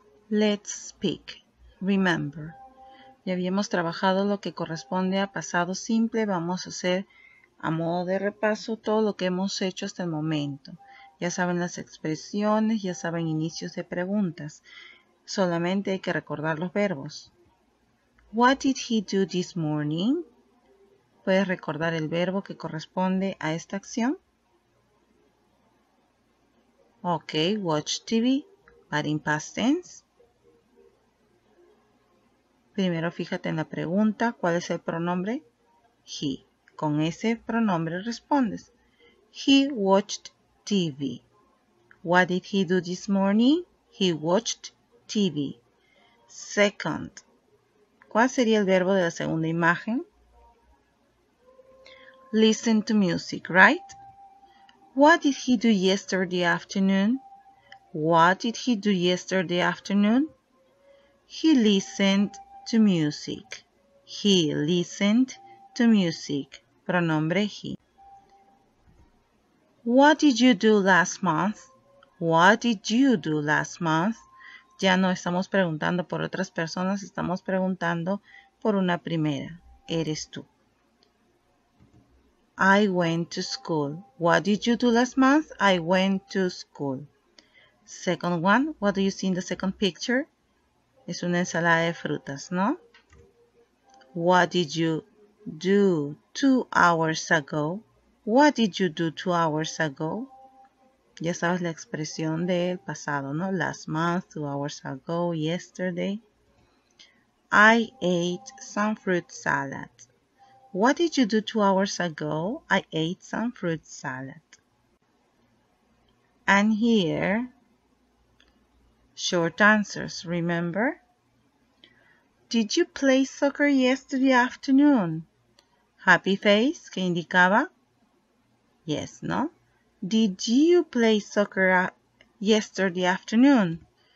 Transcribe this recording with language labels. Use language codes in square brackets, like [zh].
[en] Let's speak. Remember. [es] Ya habíamos trabajado lo que corresponde a pasado simple. Vamos a hacer a modo de repaso todo lo que hemos hecho hasta el momento. Ya saben las expresiones, ya saben inicios de preguntas. Solamente hay que recordar los verbos. [en] What did he do this morning? [es] ¿Puedes recordar el verbo que corresponde a esta acción? [en] Ok, watch TV, but in past tense. [es] Primero fíjate en la pregunta, ¿cuál es el pronombre? He. Con ese pronombre respondes. [en] He watched TV. What did he do this morning? He watched TV. [es] Second, ¿cuál sería el verbo de la segunda imagen? [en] Listen to music, right? What did he do yesterday afternoon? What did he do yesterday afternoon? He listened to music. He listened to music. [es] Pronombre he. [en] What did you do last month? What did you do last month? [es] Ya no estamos preguntando por otras personas, estamos preguntando por una primera. Eres tú. [en] I went to school. What did you do last month? I went to school. Second one, what do you see in the second picture? [es] Es una ensalada de frutas, ¿no? [en] What did you do 2 hours ago? What did you do 2 hours ago? [es] Ya sabes la expresión del pasado, ¿no? [en] Last month, 2 hours ago, yesterday. I ate some fruit salad. What did you do 2 hours ago? I ate some fruit salad. And here, short answers, remember? Did you play soccer yesterday afternoon? Happy face, [es] ¿qué indicaba? [en] Yes, ¿no? Did you play soccer yesterday afternoon?